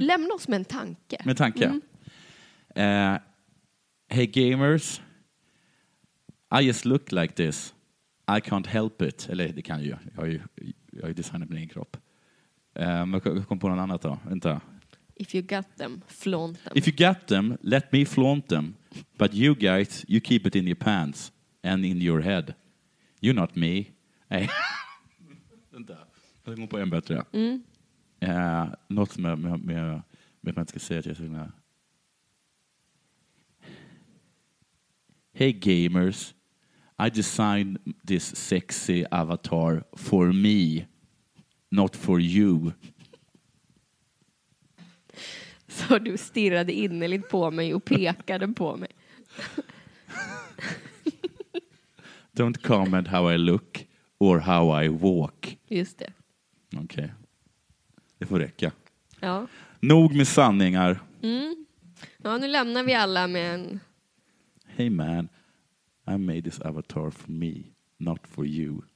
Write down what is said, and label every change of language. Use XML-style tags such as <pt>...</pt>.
<sv>Lämna oss med en tanke. Med tanke. Mm.</sv> <en>Hey gamers, I just look like this. I can't help it.</en> <sv>Eller det kan ju. Jag har ju designat min egen kropp. Men jag kom på något annat då. Vänta.</sv> <en>If you got them, flaunt them. If you got them, let me flaunt them. But you guys, you keep it in your pants and in your head. You're not me.</en> <sv>Vänta. Jag kommer på en bättre. Något som jag vet man inte ska säga till sig.</sv> <en>Hey gamers, I designed this sexy avatar for me, not for you.</en> <sv>Så du stirrade innerligt på mig och pekade på mig.</sv> <en>Don't comment how I look or how I walk.</en> <sv>Just det. Okej. Det får räcka. Ja. Nog med sanningar. Ja, nu lämnar vi alla med en...</sv> <en>Hey man, I made this avatar for me, not for you.</en>